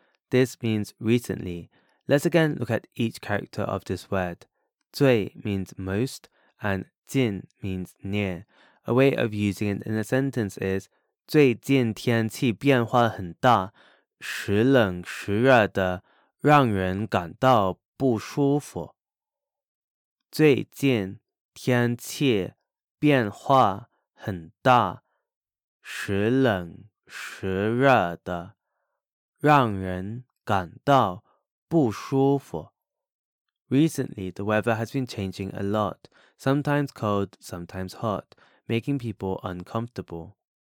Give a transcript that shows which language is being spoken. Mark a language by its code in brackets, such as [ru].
[en] This means recently. Let's again look at each character of this word. 最 means most and 近 means near. A way of using it in a sentence is [zh] 最近天气变化很大，时冷时热的，让人感到不舒服。最近天气变化很大，时冷时热的，让人感到不舒服。 [en] Recently, the weather has been changing a lot, sometimes cold, sometimes hot, making people uncomfortable.